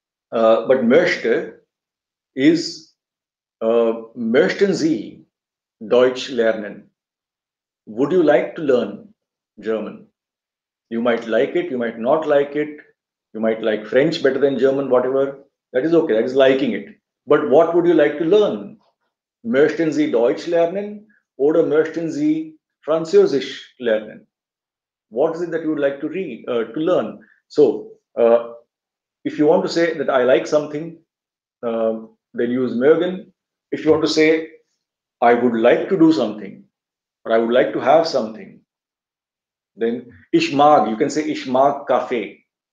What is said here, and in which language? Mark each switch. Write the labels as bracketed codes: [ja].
[en] but [de] möchte is möchten Sie Deutsch lernen? [en] Would you like to learn German? You might like it. You might not like it. You might like French better than German, whatever. That is okay. That is liking it. But what would you like to learn? [de] Möchten Sie Deutsch lernen oder möchten Sie Französisch lernen? [en] What is it that you would like to read, to learn? So if you want to say that I like something, then use Mögen. If you want to say I would like to do something or I would like to have something, then [de] Ich mag, [en] you can say [de] Ich mag Kaffee.